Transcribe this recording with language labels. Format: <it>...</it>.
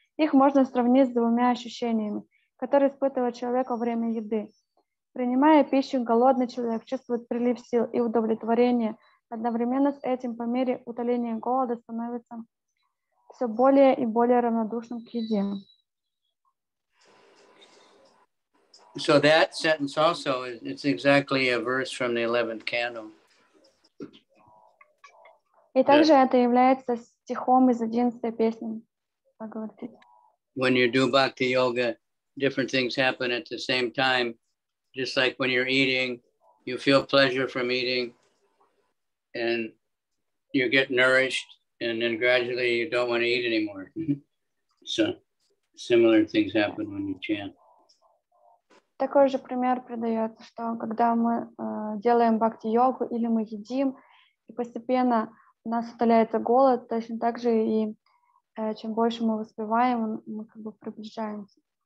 <ru>Их можно сравнить с двумя ощущениями, которые испытывает человек во время еды. Принимая пищу, голодный человек чувствует прилив сил и удовлетворения. Одновременно с этим, по мере утоления голода, становится все более и более равнодушным к еде.</ru> <en>So that sentence also is, it's exactly a verse from the 11th canto.</en> <ru>И также это является стихом из 11-й песни Бхагаватам.</ru> <en>When you do bhakti yoga, different things happen at the same time. Just like when you're eating, you feel pleasure from eating, and you get nourished, and then gradually you don't want to eat anymore. So similar things happen when you chant.</en> <ru>Такой же пример придается, что когда мы делаем бхакти-йогу или мы едим, и постепенно у нас утоляется голод, точно так же и чем больше мы воспеваем, мы как бы приближаемся.</ru>